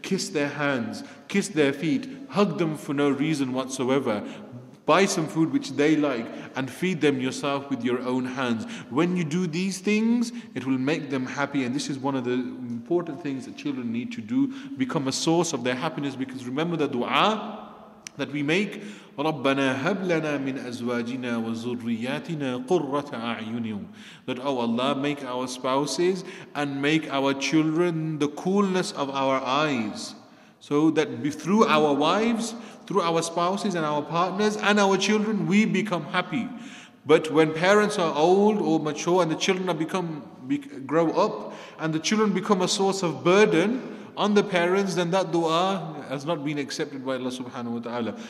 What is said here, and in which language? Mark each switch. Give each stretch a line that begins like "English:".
English: Kiss their hands, kiss their feet, hug them for no reason whatsoever. Buy some food which they like and feed them yourself with your own hands. When you do these things, it will make them happy. And this is one of the important things that children need to do, become a source of their happiness. Because remember the dua that we make,
Arabic: رَبَّنَا هَبْ لَنَا مِنْ أَزْوَاجِنَا وَزُرِّيَّاتِنَا قُرَّةَ أَعْيُنٍ.
English: That, oh Allah, make our spouses and make our children the coolness of our eyes. So that through our wives, through our spouses and our partners and our children, we become happy. But when parents are old or mature and the children grow up and the children become a source of burden on the parents, then that dua has not been accepted by Allah subhanahu wa ta'ala.